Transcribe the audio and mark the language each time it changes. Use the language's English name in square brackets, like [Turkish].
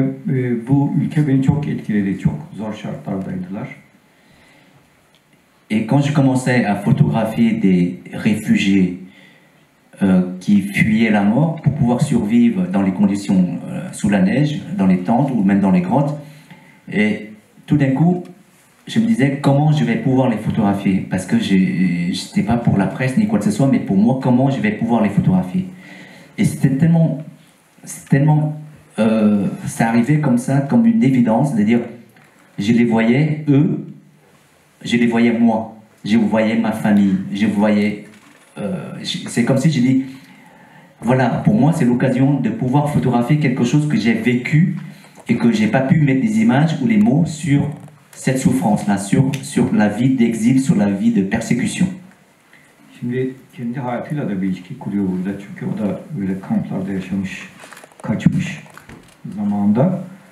[Turkish] Ve bu ülke beni çok etkiledi, çok zor şartlardaydılar. [French] Et quand je commençais à photographier des réfugiés qui fuyaient la mort pour pouvoir survivre dans les conditions sous la neige, dans les tentes ou même dans les grottes, et tout d'un coup, je me disais comment je vais pouvoir les photographier, parce que je n'étais pas pour la presse ni quoi que ce soit, mais pour moi, comment je vais pouvoir les photographier. Et ça arrivait comme ça, comme une évidence, c'est-à-dire, je les voyais, eux, je les voyais moi, je voyais ma famille, je voyais... c'est comme si je dis, voilà, pour moi c'est l'occasion de pouvoir photographier quelque chose que j'ai vécu et que j'ai pas pu mettre des images ou les mots sur cette souffrance-là, sur la vie d'exil, sur la vie de persécution. [Turkish] Şimdi kendi hayatıyla da bir ilişki kuruyor burada, çünkü o da böyle kamplarda yaşamış, kaçmış zamanda.